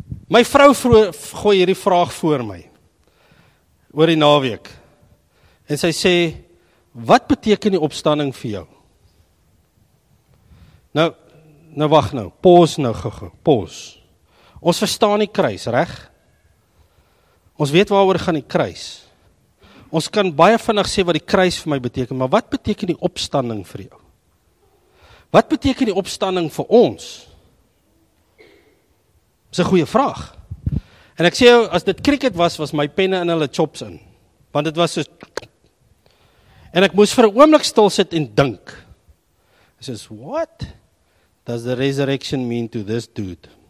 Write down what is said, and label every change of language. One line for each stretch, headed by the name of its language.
Afrikaans: My vrou gooi hierdie vraag voor my. Oor die naweek. En sy sê, wat beteken die opstanding vir jou? Nou wag nou. Pause nou gou-gou. Pause. Ons verstaan die kruis, reg? Ons weet waaroor gaan die kruis. Ons kan baie vinnig sê wat die kruis vir my beteken, maar wat beteken die opstanding vir jou? Wat beteken die opstanding vir ons? Dis 'n goeie vraag. En ek sê jou, as dit cricket was, was my penne in hulle chops in. Want dit was so... En ek moes vir 'n oomblik stil sit en dink. Ek sê,
English: what does the resurrection mean to this dude?